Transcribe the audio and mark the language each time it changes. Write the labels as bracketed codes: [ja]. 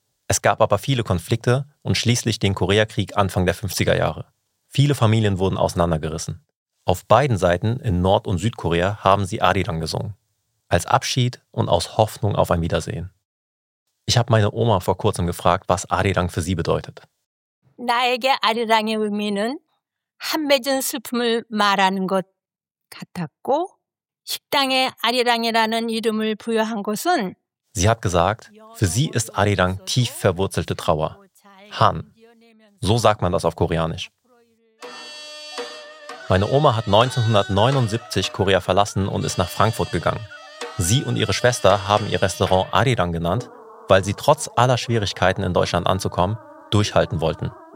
[de] Es gab aber viele Konflikte und schließlich den Koreakrieg Anfang der 50er Jahre. Viele Familien wurden auseinandergerissen. Auf beiden Seiten, in Nord- und Südkorea, haben sie Arirang gesungen. Als Abschied und aus Hoffnung auf ein Wiedersehen. Ich habe meine Oma vor kurzem gefragt, was Arirang für sie bedeutet. [ko] 나에게 아리랑의 의미는 한 맺은 슬픔을 말하는 것 같았고 식당에 아리랑이라는 이름을 부여한 것은 [de] Sie hat gesagt, für sie ist Arirang tief verwurzelte Trauer. Han. So sagt man das auf Koreanisch. Meine Oma hat 1979 Korea verlassen und ist nach Frankfurt gegangen. Sie und ihre Schwester haben ihr Restaurant Arirang genannt, weil sie trotz aller Schwierigkeiten in Deutschland anzukommen, durchhalten wollten.